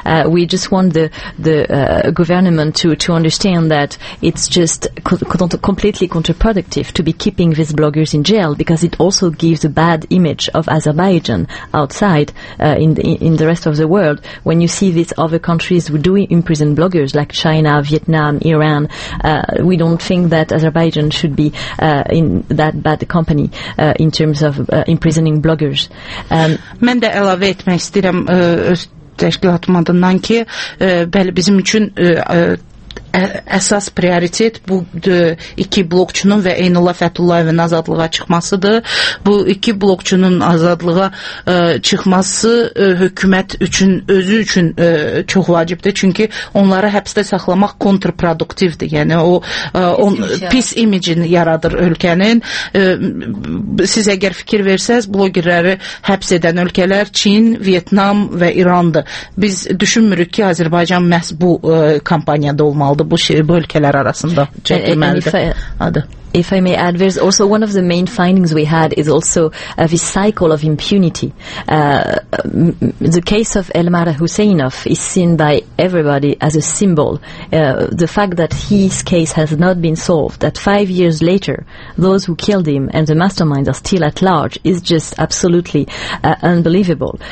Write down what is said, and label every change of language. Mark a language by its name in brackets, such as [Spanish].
[English] We just want the government to understand that it's just completely counterproductive to be keeping these bloggers in jail because it also gives a bad image of Azerbaijan outside in the rest of the world. When you see this other countries who do imprison bloggers like China, Vietnam, Iran, we don't think that Azerbaijan should be in that bad company in terms of imprisoning bloggers. [Azerbaijani] Mən də əlavə etmək istəyirəm öz təşkilatım adından ki, bəli bizim üçün əsas prioritet bu iki blokçunun və Eynula Fətullayevin azadlığa çıxmasıdır. Bu iki blokçunun azadlığa çıxması hökumət üçün, özü üçün çox vacibdir. Çünki onları həbsdə saxlamaq kontrproduktivdir. Yəni, pis imicini yaradır ölkənin. Siz əgər fikir versəz, blogerləri həbs edən ölkələr Çin, Vietnam və İrandır. Biz düşünmürük ki, Azərbaycan məhz bu kampaniyada olmalıdır. Bu ölkələr arasında çəkilməlidir. [English] If I may add, there's also one of the main findings we had is also this cycle of impunity. The case of Elmar Huseynov is seen by everybody as a symbol. The fact that his case has not been solved, that 5 years later, those who killed him and the masterminds are still at large, is just absolutely unbelievable.